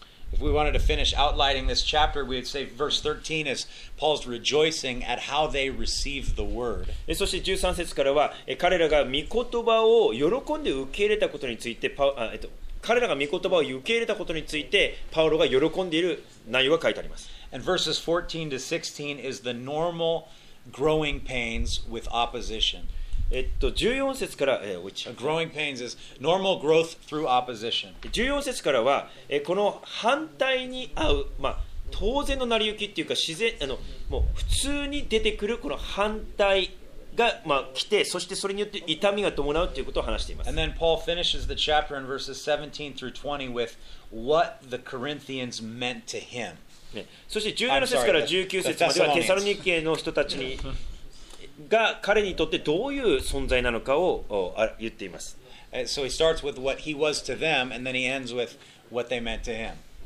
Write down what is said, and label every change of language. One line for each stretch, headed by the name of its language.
English: If we wanted to finish outlining this chapter, we'd say verse 13 is Paul's rejoicing at how they received the word.
Japanese: そして13節からは、彼らが御言葉を喜んで受け入れたことについて、彼らが御言葉を受け入れたことについて、パウロが喜んでいる内容が書いてあります。
English: And verses 14 to 16 is the normal growing pains with opposition.
Japanese: 14節から、
English: growing pains is normal growth through opposition.
Japanese: 14節からは、この反対に遭う、まあ、当然の成り行きっていうか、自然、もう普通に出てくるこの反対が、まあ、来て、そしてそれによって痛みが伴うということを話しています。
English: And then Paul finishes the chapter in verses 17 through 20 with what the Corinthians meant to him.
Japanese: そして17節から19節まではテサロニケの人たちにが彼にとってどういう存在なのかを言っています。
English: So he starts with what he was to them and then he ends with what they meant to him.